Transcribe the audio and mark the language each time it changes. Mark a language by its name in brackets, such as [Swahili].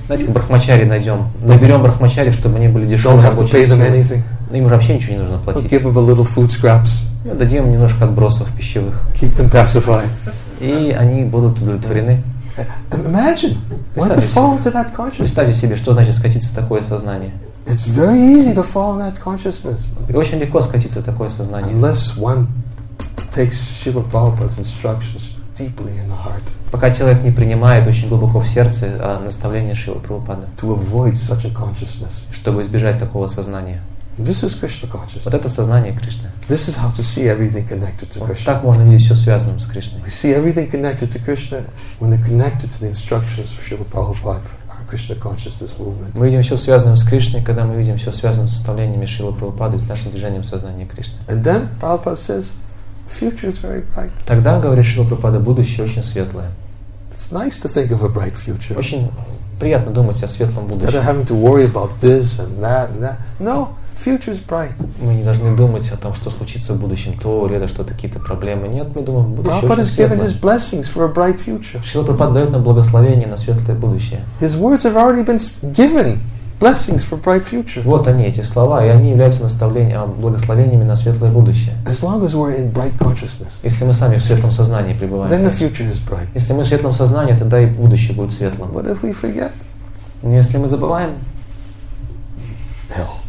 [Russian] Давайте брахмачари найдем. Наберем брахмачари, чтобы они были дешевые рабочие. [English] Don't have to pay them anything. [Russian] Им вообще ничего не нужно платить. [English] We'll give them a little food scraps. [Russian] Дадим им немножко отбросов пищевых. [English] Keep them pacified. [Russian] И они будут удовлетворены. [English] Imagine. What to fall into that consciousness? [Russian] Представьте себе, что значит скатиться в такое сознание. [English] It's very easy to fall in that consciousness. [Russian] И очень легко скатиться в такое сознание. [English] Unless one takes Srila Prabhupada's instructions deeply in the heart. [Russian] Пока человек не принимает очень глубоко в сердце наставления Шрилы Прабхупады. [English] To avoid such a consciousness. [Russian] Чтобы избежать такого сознания. [English] This is Krishna consciousness. [Russian] Вот это сознание Кришны. [English] This is how to see everything connected to Krishna. [Russian] Так можно видеть все связанным с Кришной. [English] We see everything connected to Krishna when they're connected to the instructions of Srila Prabhupada. Krishna consciousness movement. [Russian] Мы видим все связанным с Кришной, когда мы видим все связанным с составлением Шрилы Прабхупады и с нашим движением сознания Кришны. [English] And then Prabhupada says, future is very bright. [Russian] Тогда, говорит Шрила Прабхупада, будущее очень светлое. [English] It's nice to think of a bright future. [Russian] Очень приятно думать о светлом будущем. [English] Instead of having to worry about this and that and that. No, future is bright. [Russian] Мы не должны думать о том, что случится в будущем, то или это, что какие-то проблемы. Нет, мы думаем, будущее [English] Prabhupada [Russian] очень светлое. [English] Prabhupada has given his blessings for a bright future. [Russian] Шрила Прабхупада дает нам благословение на светлое будущее. [English] His words have already been given blessings for bright future. [Russian] Вот они, эти слова, и они являются наставлением, благословениями на светлое будущее. [English] As long as we're in bright consciousness, [Russian] если мы сами в светлом сознании пребываем, [English] then the future is bright. [Russian] Если мы в светлом сознании, тогда и будущее будет светлым. [English] What if we forget? [Russian] Если мы забываем, [English] hell.